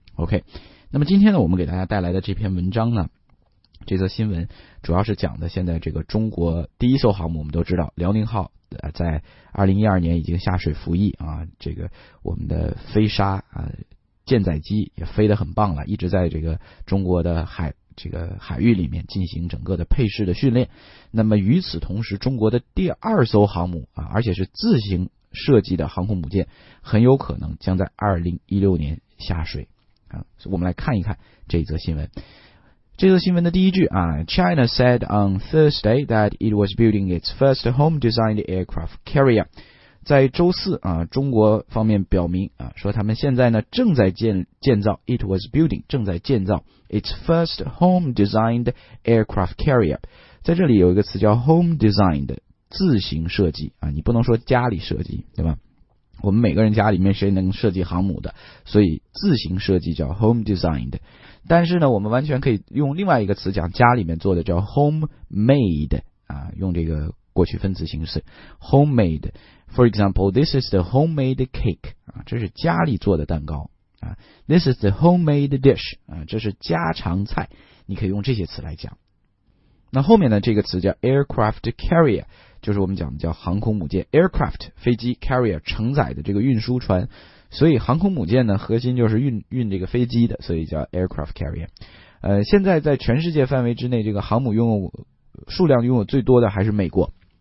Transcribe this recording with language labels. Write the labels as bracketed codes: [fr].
[zh] OK， 那么今天呢我们给大家带来的这篇文章呢，这则新闻主要是讲的现在这个中国第一艘航母，我们都知道辽宁号在2012年已经下水服役啊，这个我们的飞沙啊舰载机也飞得很棒了，一直在这个中国的海域里面进行整个的配饰的训练。那么与此同时，中国的第二艘航母啊，而且是自行设计的航空母舰，很有可能将在2016年下水啊。我们来看一看这则新闻。这则新闻的第一句啊 [en] ，China said on Thursday that it was building its first home-designed aircraft carrier。 [zh] 在周四啊，中国方面表明啊，说他们现在呢正在建造 ， [en] it was building [zh] 正在建造 [en] its first home-designed aircraft carrier。 [zh] 在这里有一个词叫 home-designed， 自行设计啊，你不能说家里设计，对吧？我们每个人家里面谁能设计航母的？所以自行设计叫 home-designed。但是呢，我们完全可以用另外一个词讲家里面做的，叫 home-made 啊，用这个过去分词形式 homemade。 [en] For example, this is the homemade cake. [zh] 这是家里做的蛋糕。 [en] This is the homemade dish. [zh] 这是家常菜。你可以用这些词来讲。那后面的这个词叫 aircraft carrier， 就是我们讲的叫航空母舰。 aircraft, 飞机 carrier, 承载的这个运输船。所以航空母舰呢核心就是运这个飞机的，所以叫 aircraft carrier。现在在全世界范围之内，这个航母拥有数量拥有最多的还是美国。